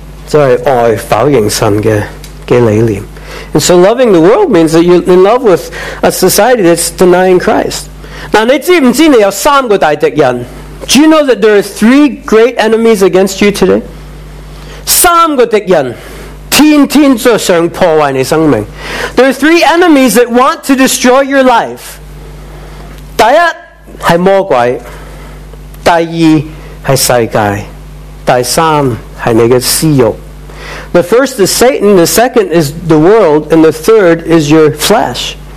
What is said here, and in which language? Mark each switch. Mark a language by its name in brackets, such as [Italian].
[Chinese] 爱世界，就是爱否认神的理念。 [English] And so loving the world means that you're in love with a society that's denying Christ. [Chinese] 但你知不知你有三个大敌人? [English] Do you know that there are three great enemies against you today? [Chinese] 三个敌人。天天都想破坏你生命. [English] There are three enemies that want to destroy your life. [Chinese] 第一是魔鬼, 第二是世界, 第三是你的私欲. [English] The first is Satan, the second is the world, and the third is your flesh.